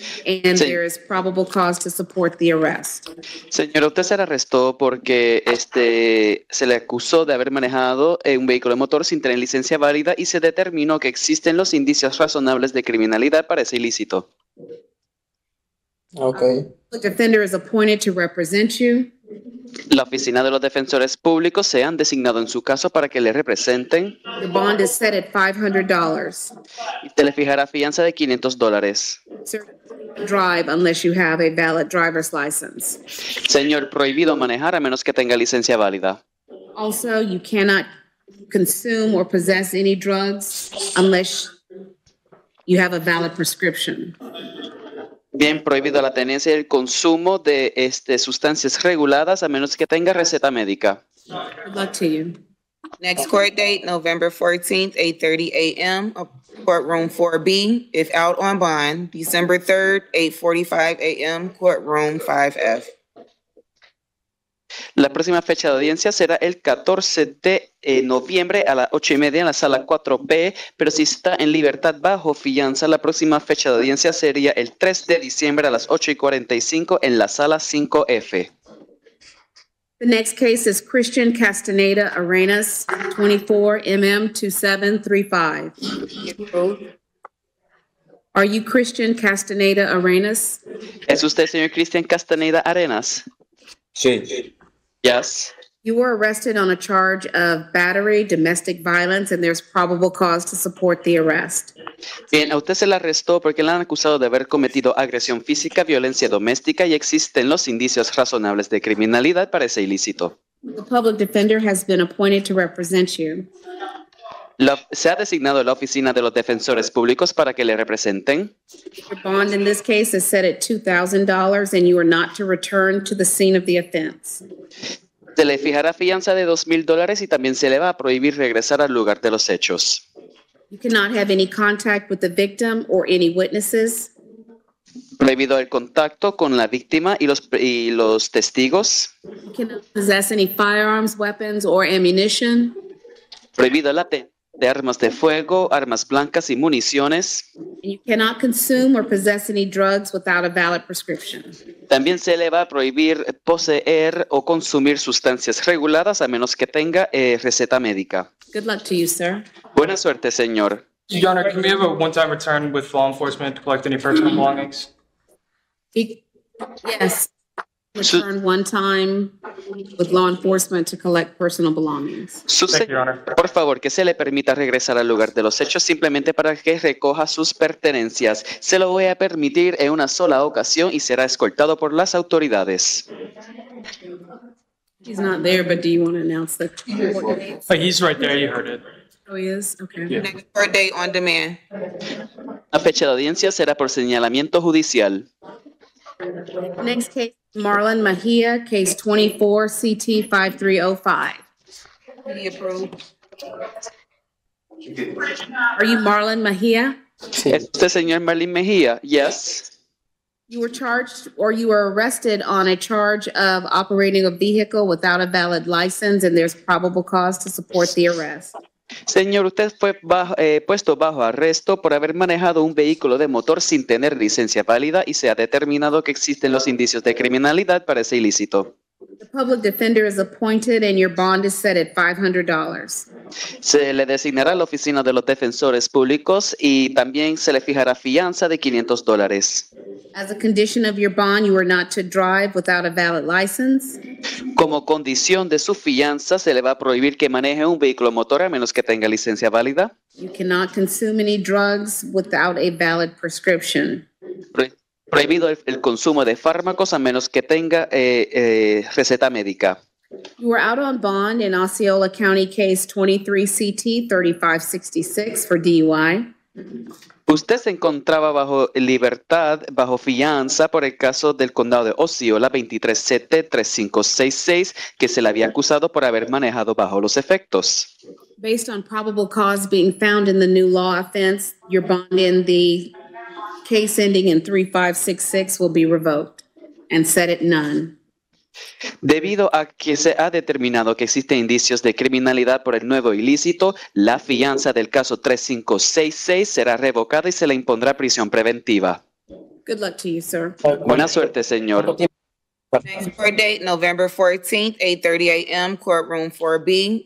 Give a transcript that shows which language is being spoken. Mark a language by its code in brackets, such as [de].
[en] And there is probable cause to support the arrest. [es] Señor, usted se arrestó porque se le acusó de haber manejado un vehículo de motor sin tener licencia válida y se determinó que existen los indicios razonables de criminalidad para ese ilícito. [en] Okay. The defender is appointed to represent you. [es] La oficina de los defensores públicos se han designado en su caso para que le representen. [en] The bond is set at $500. [es] Y te le fijará fianza de $500. [en] Sir, drive unless you have a valid driver's license. [es] Señor, prohibido manejar a menos que tenga licencia válida. [en] Also, you cannot consume or possess any drugs unless you have a valid prescription. [es] Bien, prohibido la tenencia y el consumo de sustancias reguladas a menos que tenga receta médica. [en] Good luck to you. Next court date, November 14th, 8:30 a.m., courtroom 4B, if out on bond, December 3rd, 8:45 a.m., courtroom 5F. [es] La próxima fecha de audiencia será el 14 de noviembre a las 8:30 en la sala 4B, pero si está en libertad bajo fianza, la próxima fecha de audiencia sería el 3 de diciembre a las 8:45 en la sala 5F. [en] The next case is Christian Castaneda Arenas, 24MM2735. Are you Christian Castaneda Arenas? [es] ¿Es usted, señor Christian Castaneda Arenas? Sí. [en] Yes. You were arrested on a charge of battery, domestic violence, and there's probable cause to support the arrest. [es] Bien, a usted se le arrestó porque le han acusado de haber cometido agresión física, violencia doméstica, y existen los indicios razonables de criminalidad para ese ilícito. [en] The public defender has been appointed to represent you. [es] Se ha designado la oficina de los defensores públicos para que le representen. [en] Your bond in this case is set at $2,000 and you are not to return to the scene of the offense. [es] Se le fijará fianza de $2,000 y también se le va a prohibir regresar al lugar de los hechos. [en] You cannot have any contact with the victim or any witnesses. [es] Prohibido el contacto con la víctima y los testigos. [en] You cannot possess any firearms, weapons or ammunition. [es] Prohibido el ATE. De armas de fuego, armas blancas y municiones. [en] And you cannot consume or possess any drugs without a valid prescription. [es] También se le va a prohibir poseer o consumir sustancias reguladas a menos que tenga receta médica. [en] Good luck to you, sir. [es] Buena suerte, señor. [en] Your Honor, can we have a one-time return with law enforcement to collect any personal belongings? Yes. Returned one time with law enforcement to collect personal belongings. Thank you, Your Honor. [es] Por favor, que se le permita regresar al lugar de los hechos simplemente para que recoja sus pertenencias. Se lo voy a permitir en una sola ocasión y será escoltado por las autoridades. [en] He's not there, but do you want to announce that? Oh, he's right there. You heard it. Oh, he is? Okay. Yeah. Next day on demand. [es] La fecha de audiencia será por señalamiento judicial. [en] Next case, Marlon Mejia, case 24CT5305. Any approved? Are you Marlon Mejia? [es] ¿Es usted señor Marlon Mejia? [en] Yes. You were charged or you were arrested on a charge of operating a vehicle without a valid license, and there's probable cause to support the arrest. [es] Señor, usted fue puesto bajo arresto por haber manejado un vehículo de motor sin tener licencia válida y se ha determinado que existen los indicios de criminalidad para ese ilícito. [en] The public defender is appointed and your bond is set at $500. [es] Se le designará a la oficina de los defensores públicos y también se le fijará fianza de $500. [en] As a condition of your bond, you are not to drive without a valid license. [es] Como condición de su fianza, se le va a prohibir que maneje un vehículo motor a menos que tenga licencia válida. [en] You cannot consume any drugs without a valid prescription. [es] Prohibido el consumo de fármacos a menos que tenga receta médica. [en] You were out on bond in Osceola County case 23CT3566 for DUI. [es] Usted se encontraba bajo libertad, bajo fianza, por el caso del condado de Osceola 23CT3566, que se le había acusado por haber manejado bajo los efectos. [en] Based on probable cause being found in the new law offense, your bond in the case ending in 3566 will be revoked and set at none. [es] Debido a que se ha determinado que existen indicios de criminalidad por el nuevo ilícito, la fianza del caso 3566 será revocada y se le impondrá prisión preventiva. [en] Good luck to you, sir. [es] Buena suerte, señor. [en] Next court date, November 14th, 8:30 a.m., courtroom 4B.